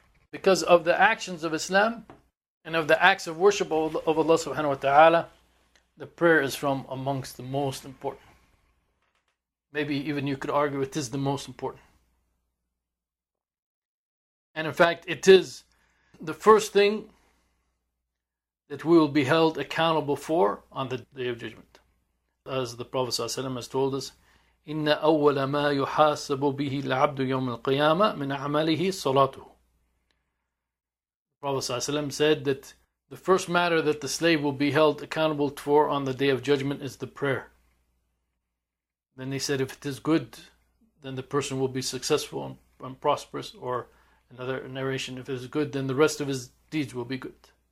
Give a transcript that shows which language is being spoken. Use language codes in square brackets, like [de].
[en] Because of the actions of Islam and of the acts of worship of Allah subhanahu wa ta'ala, the prayer is from amongst the most important. Maybe even you could argue it is the most important. And in fact, it is the first thing that we will be held accountable for on the Day of Judgment. As the Prophet ﷺ has told us, [ar] إِنَّ أَوَّلَ مَا يُحَاسَبُ بِهِ الْعَبْدُ يَوْمَ الْقِيَامَةِ مِنْ عَمَلِهِ صَلَاتُهُ. [en] The Prophet ﷺ said that the first matter that the slave will be held accountable for on the Day of Judgment is the prayer. Then he said, if it is good, then the person will be successful and prosperous. Or another narration, if it is good, then the rest of his deeds will be good.